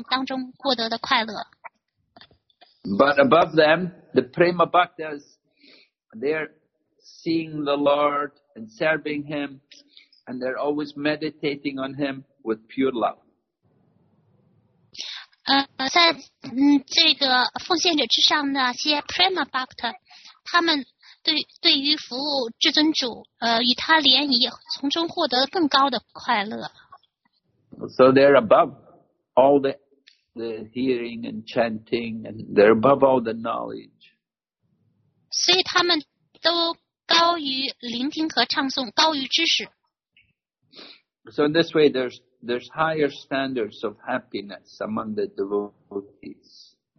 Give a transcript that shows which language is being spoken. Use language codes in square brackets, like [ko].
[zh] 那些Shuddha Bhakta他们是从Sadhana Bhakti规范修行上获得了快乐，他们从聆听和唱诵当中获得的快乐。 [en] But above them, the Prema Bhaktas, they're seeing the Lord and serving Him, and they're always meditating on Him with pure love. [zh] 在这个奉献者之上的那些Prema Bhakta, 他们对于服务至尊主与他联谊，从中获得更高的快乐。 [en] So they're above all the hearing and chanting, and they're above all the knowledge. [zh] 所以他们都高于聆听和唱诵，高于知识。 [en] So in this way, there's higher standards of happiness among the devotees.